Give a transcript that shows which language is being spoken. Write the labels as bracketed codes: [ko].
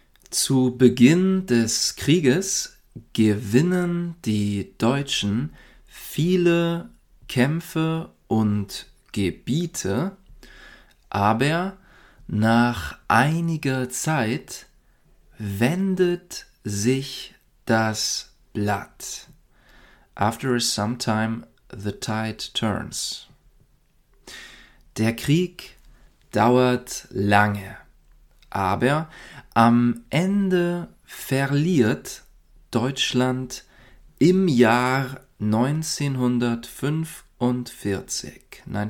[de] Zu Beginn des Krieges gewinnen die Deutschen viele Kämpfe und Gebiete, aber nach einiger Zeit wendet sich das Blatt. [en] After some time, the tide turns. [de] Der Krieg dauert lange, aber am Ende verliert Deutschland im Jahr 1945.